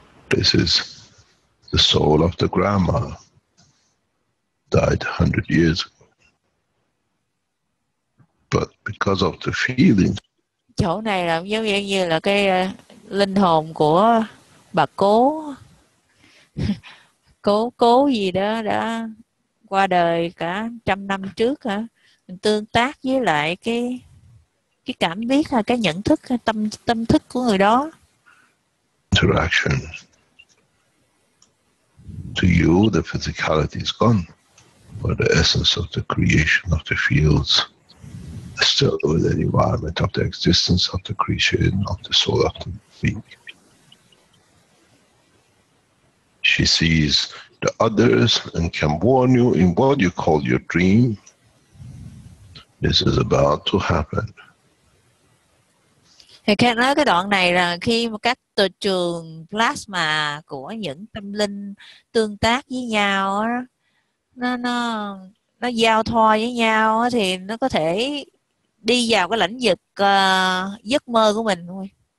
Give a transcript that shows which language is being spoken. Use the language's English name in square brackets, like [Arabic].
[English] This is the soul of the grandma died 100 years ago. But because of the feeling. [Vietnamese] Chỗ này là giống như là cái linh hồn của bà cố cố gì đó đã qua đời cả trăm năm trước hả, mình tương tác với lại cái cảm biết hay cái nhận thức hay tâm thức của người đó. [English] Interaction to you, the physicality is gone, but the essence of the creation of the fields still with the environment of the existence of the creation of the soul of the being. She sees the others and can warn you in what you call your dream, this is about to happen. [Vietnamese] Thì Khe nói cái đoạn này là khi mà các từ trường plasma của những tâm linh tương tác với nhau đó, nó giao thoa với nhau đó, thì nó có thể đi vào cái lãnh vực giấc mơ của mình thôi.